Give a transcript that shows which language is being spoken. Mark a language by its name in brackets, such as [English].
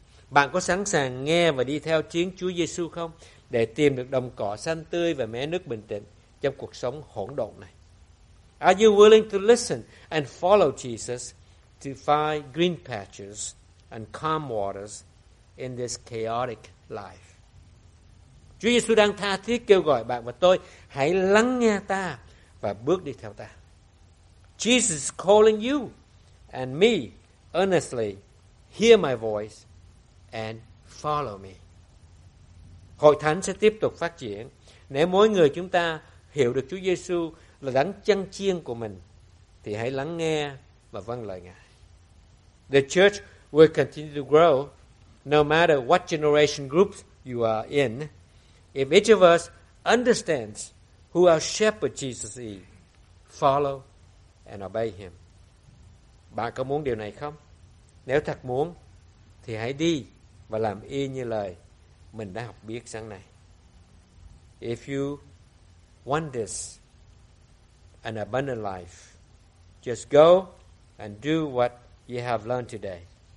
[Vietnamese] Bạn có sẵn sàng nghe và đi theo tiếng Chúa Giêsu không để tìm được đồng cỏ xanh tươi và mé nước bình tĩnh trong cuộc sống hỗn độn này? [English] Are you willing to listen and follow Jesus to find green pastures and calm waters in this chaotic life? [Vietnamese] Chúa Giêsu đang tha thiết kêu gọi bạn và tôi hãy lắng nghe ta và bước đi theo ta. [English] Jesus is calling you and me earnestly, hear my voice and follow me. [Vietnamese] Hội thánh sẽ tiếp tục phát triển nếu mỗi người chúng ta hiểu được Chúa Giêsu là đấng chăn chiên của mình, thì hãy lắng nghe và vâng lời Ngài. [English] The church will continue to grow no matter what generation groups you are in, if each of us understands who our shepherd Jesus is, follow and obey him. [Vietnamese] Bạn có muốn điều này không? Nếu thật muốn, thì hãy đi và làm y như lời mình đã học biết sáng nay. [English] If you want this, an abundant life, just go and do what you have learned today.